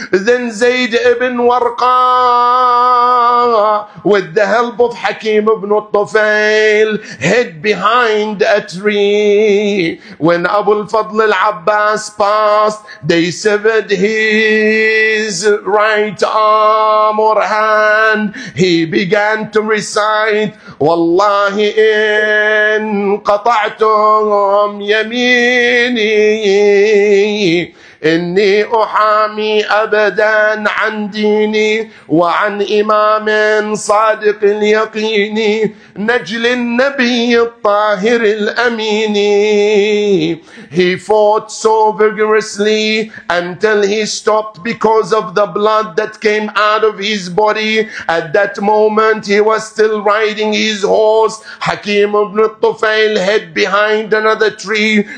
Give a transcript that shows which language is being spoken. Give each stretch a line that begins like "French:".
English: Then Zayd ibn Warqa, with the help of Hakim ibn Tufail, hid behind a tree. When Abu al-Fadl al-Abbas passed, they severed his right arm or hand. He began to recite,
Arabic: Wallahi in qata'tum yamini إني أحامي أبدا عن ديني وعن إمام صادق اليقين نجل النبي الطاهر الأمين.
English: He fought so vigorously until he stopped because of the blood that came out of his body. At that moment he was still riding his horse. Hakim ibn Tufail hid behind another tree.